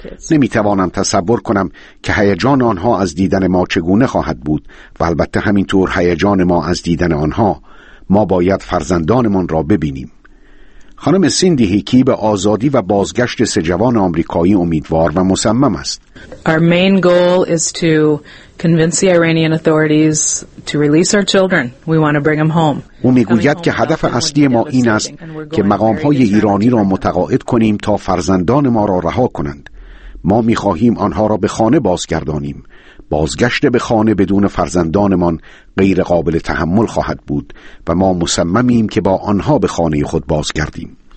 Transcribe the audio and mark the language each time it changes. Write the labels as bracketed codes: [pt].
[fa] نمی‌توانم تصور کنم که هیجان آنها از دیدن ما چگونه خواهد بود و البته همینطور هیجان ما از دیدن آنها. ما باید فرزندانمان را ببینیم. خانم سیندی هیکی به آزادی و بازگشت سه جوان آمریکایی امیدوار و مصمم است. [en] Our main goal is to convince the Iranian authorities to release our children. We want to bring them home. [fa] او میگوید که هدف اصلی ما این است که مقام‌های ایرانی را متقاعد کنیم تا فرزندان ما را رها کنند. ما می‌خواهیم آنها را به خانه بازگردانیم. بازگشت به خانه بدون فرزندانمان غیر قابل تحمل خواهد بود و ما مصممیم که با آنها به خانه خود بازگردیم.